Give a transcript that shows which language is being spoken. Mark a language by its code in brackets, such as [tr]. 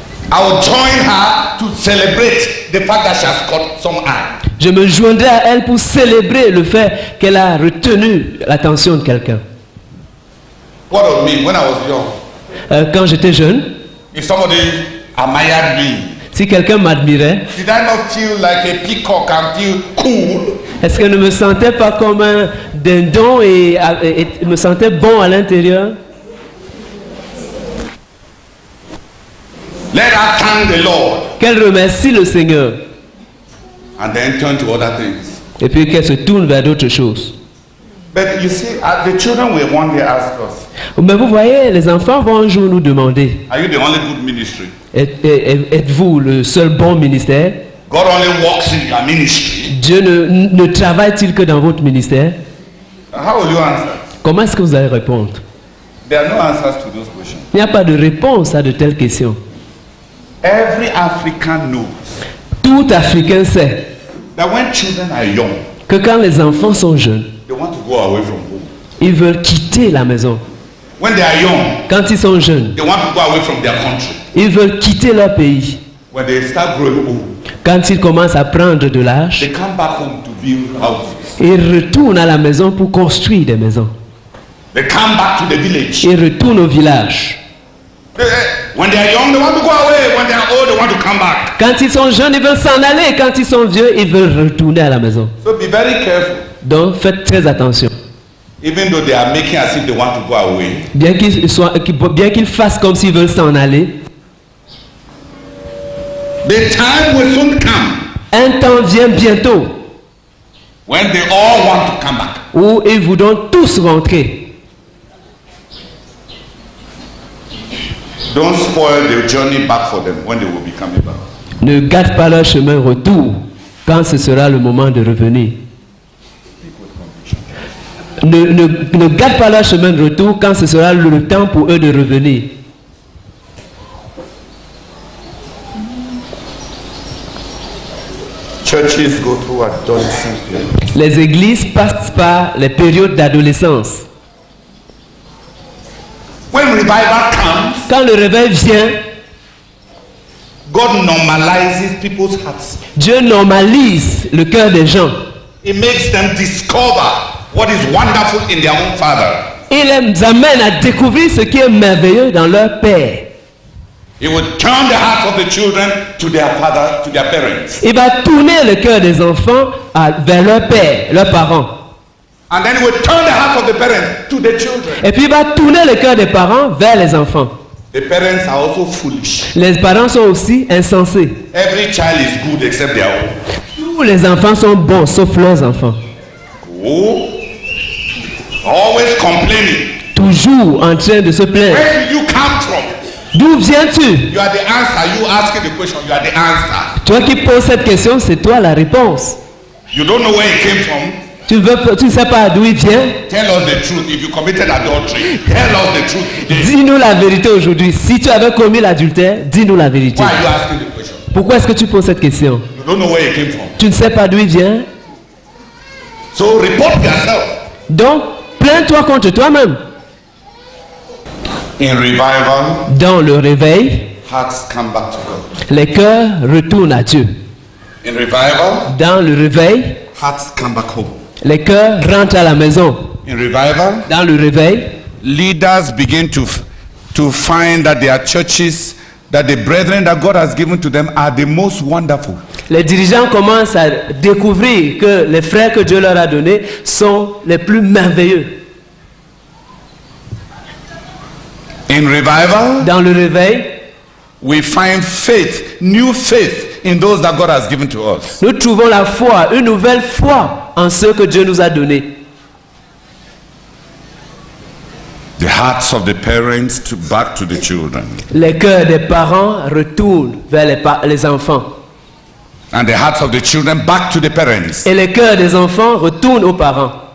[en] I will join her to celebrate the fact that she has caught some eye. [fr] Je me joindrai à elle pour célébrer le fait qu'elle a retenu l'attention de quelqu'un. [en] What of me when I was young? [fr] Quand j'étais jeune. [en] If somebody admired me, [fr] si quelqu'un m'admirait, [en] did I not feel like a peacock and feel cool? [fr] Est-ce que je ne me sentais pas comme un dindon et me sentais bon à l'intérieur? [en] Let her thank the Lord. [fr] Qu'elle remercie le Seigneur. [en] And then turn to other things. [fr] Et puis qu'elle se tourne vers d'autres choses. [en] But you see, the children will one day ask us. [fr] Mais vous voyez, les enfants vont un jour nous demander. [en] Are you the only good ministry? [fr] Êtes-vous le seul bon ministère? [en] God only works in your ministry. [fr] Dieu ne travaille-t-il que dans votre ministère? [en] How will you answer? [fr] Comment est-ce que vous allez répondre? [en] There are no answers to those questions. [fr] Il n'y a pas de réponse à de telles questions. [en] Every African knows. [fr] Tout Africain sait. [en] That when children are young, [fr] que quand les enfants sont jeunes, [en] they want to go away from home. [fr] Ils veulent quitter la maison. [en] When they are young, [fr] quand ils sont jeunes, [en] they want to go away from their country. [fr] Ils veulent quitter leur pays. [en] When they start growing old, [fr] quand ils commencent à prendre de l'âge, [en] they come back home to build houses. [fr] Ils retournent à la maison pour construire des maisons. [en] They come back to the village. [fr] Ils retournent au village. [en] When they are young, they want to go away. When they are old, they want to come back. [fr] Quand ils sont jeunes, ils veulent s'en aller. Quand ils sont vieux, ils veulent retourner à la maison. [en] So be very careful. [fr] Donc, faites très attention. [en] Even though they are making as if they want to go away. [fr] Bien qu'ils fassent comme s'ils veulent s'en aller. [en] The time will soon come. [fr] Un temps vient bientôt. [en] When they all want to come back. [fr] Où ils voudront tous rentrer. [en] Don't spoil the journey back for them when they will be coming back. [fr] Ne gâte pas leur chemin retour quand ce sera le moment de revenir. Ne gâte pas leur chemin de retour quand ce sera le temps pour eux de revenir. [en] Churches go through adolescent [fr] periods. Les églises passent par les périodes d'adolescence. [en] When revival comes, [fr] quand le réveil vient, [en] God normalizes people's hearts. [fr] Dieu normalise le cœur des gens. [en] It makes them discover what is wonderful in their own father. [fr] Il les amène à découvrir ce qui est merveilleux dans leur père. [en] He will turn the hearts of the children to their father, to their parents. [fr] Il va tourner le cœur des enfants vers leur père, leurs parents. [en] And then he will turn the hearts of the parents to the children. [fr] Et puis il va tourner le cœur des parents vers les enfants. [en] The parents are also foolish. [fr] Les parents sont aussi insensés. [en] Every child is good except their own. [fr] Tous les enfants sont bons sauf leurs enfants. [en] Oh. Always complaining. [fr] Toujours en train de se plaindre. [en] Where do you come from? [fr] D'où viens-tu? [en] You are the answer. You ask the question. You are the answer. [fr] Toi qui poses cette question, c'est toi la réponse. [en] You don't know where it came from. [fr] Tu ne sais pas d'où il vient. [en] Tell us the truth. If you committed adultery, tell us the truth today. [fr] Dis-nous la vérité aujourd'hui. Si tu avais commis l'adultère, dis-nous la vérité. [en] Why are you asking the question? [fr] Pourquoi est-ce que tu poses cette question? [en] You don't know where it came from. [fr] Tu ne sais pas d'où il vient. [en] So report yourself. [fr] Donc, plains-toi contre toi-même. [en] In revival, [fr] dans le réveil, [en] hearts come back to God. [fr] Les cœurs retournent à Dieu. [en] In revival, [fr] dans le réveil, [en] hearts come back home. [fr] Les cœurs rentrent à la maison. [en] In revival, [fr] dans le réveil, [en] leaders begin to find that their churches, that the brethren that God has given to them are the most wonderful. [fr] Les dirigeants commencent à découvrir que les frères que Dieu leur a donnés sont les plus merveilleux. [en] In revival, [fr] dans le réveil, [en] we find faith, new faith in those that God has given to us. [fr] Nous trouvons la foi, une nouvelle foi en ceux que Dieu nous a donnés. [en] The hearts of the parents to back to the children. [fr] Les cœurs des parents retournent vers les enfants. [en] And the hearts of the children back to the parents. [fr] Et les cœurs des enfants retournent aux parents.